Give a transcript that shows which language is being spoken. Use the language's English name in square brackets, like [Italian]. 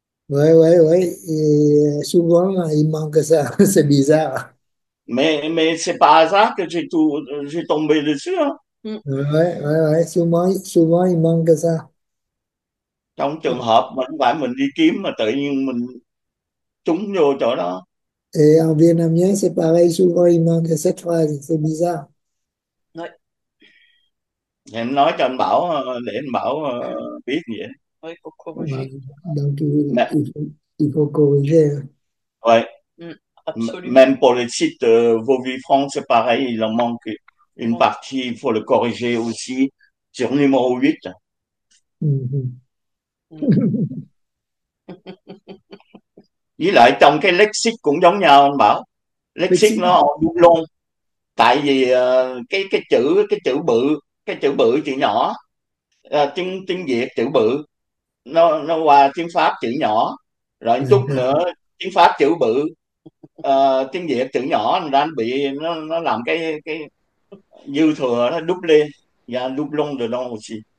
[French] Ouais, souvent il manque ça, c'est bizarre. Mais c'est pas hasard que j'ai tombé dessus. Hein. Ouais, souvent il manque ça. [Vietnamese] Trong trường hợp mà không phải mình đi kiếm mà tự nhiên mình trúng vô chỗ đó. [French] Et en vietnamien, c'est pareil, souvent il manque cette phrase, c'est bizarre. [Vietnamese] Em nói cho anh Bảo, để anh Bảo biết vậy. [French] Donc, [Vietnamese] Mẹ. [French] il faut corriger. Ouais. Absolument. Même pour le site Vô Vi France, c'est pareil, il en manque une partie, il faut le corriger aussi sur numéro 8. [Vietnamese] Lại trong cái lexique cũng giống nhau anh Bảo. [French] Lexique Lexi. [Vietnamese] nó luôn luôn. Tại vì cái chữ bự, cái chữ bự chữ nhỏ, tiếng tiếng Việt chữ bự nó qua tiếng Pháp chữ nhỏ, rồi chút nữa tiếng Pháp chữ bự, tiếng Việt chữ nhỏ, nó đang bị nó làm cái dư thừa, nó đúp lên và đúp lông rồi đâu aussi.